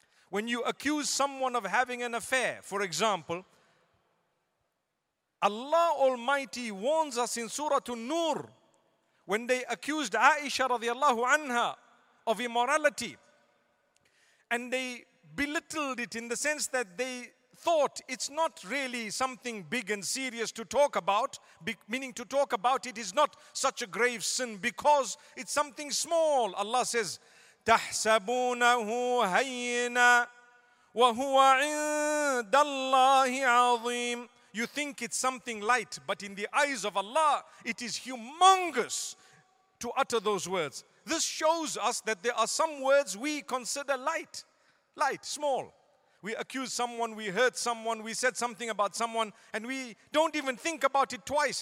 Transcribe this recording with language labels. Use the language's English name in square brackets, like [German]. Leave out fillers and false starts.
[English] When you accuse someone of having an affair, for example, Allah Almighty warns us in Surah An-Nur, when they accused Aisha radiallahu anha of immorality, and they belittled it in the sense that they thought it's not really something big and serious to talk about, meaning to talk about it is not such a grave sin because it's something small. Allah says, [Arabic] تَحْسَبُونَهُ هَيِّنَا وَهُوَ عِنْدَ اللَّهِ عَظِيمٌ. [English] You think it's something light, but in the eyes of Allah, it is humongous to utter those words. This shows us that there are some words we consider light. Light, small. We accuse someone, we hurt someone, we said something about someone, and we don't even think about it twice.